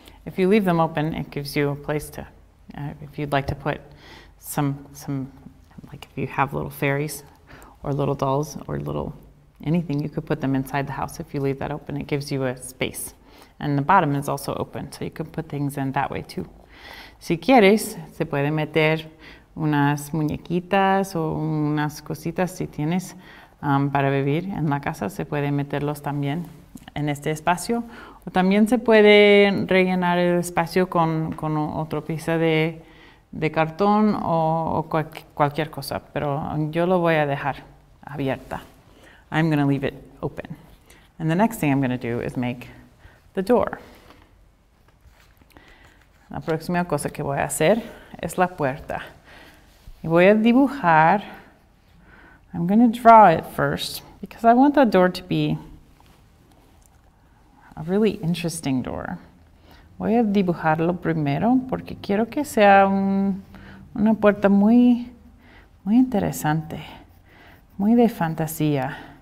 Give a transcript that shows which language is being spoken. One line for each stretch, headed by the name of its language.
English: If you leave them open, it gives you a place to, if you'd like to put some like if you have little fairies or little dolls or little anything, you could put them inside the house. If you leave that open, it gives you a space, and the bottom is also open, so you can put things in that way too.
Spanish: Si quieres, se puede meter unas muñequitas o unas cositas si tienes para vivir en la casa. Se puede meterlos también en este espacio, o también se puede rellenar el espacio con otro pieza de cartón o cualquier cosa, pero yo lo voy a dejar abierta.
English: I'm going to leave it open. And the next thing I'm going to do is make the door.
Spanish: La próxima cosa que voy a hacer es la puerta. Y voy a dibujar.
English: I'm going to draw it first because I want the door to be a really interesting door.
Spanish: Voy a dibujarlo primero porque quiero que sea una puerta muy, muy interesante, muy de fantasía.